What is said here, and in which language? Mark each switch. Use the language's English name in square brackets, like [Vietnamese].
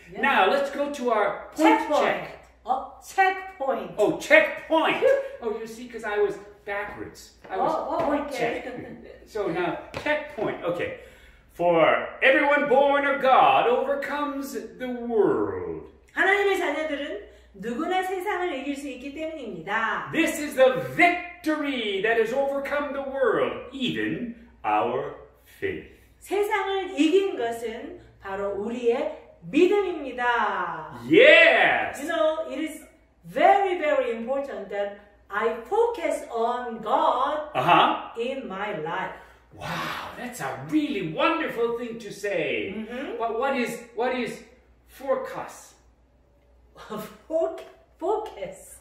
[English] Now let's go to our point check. Checkpoint. Oh, checkpoint. Oh, you see, because I was backwards. I was point check. So now, checkpoint. Okay. For everyone born of God overcomes the world. [Korean] 하나님의 자녀들은 누구나 세상을 이길 수 있기 때문입니다. [English] This is the victory that has overcome the world, even our faith. [Korean] 세상을 이긴 것은 바로 우리의 믿음입니다. [English] Yes! You know, it is very, very important that I focus on God in my life. Wow, that's a really wonderful thing to say. Mm-hmm. But what is focus? Focus.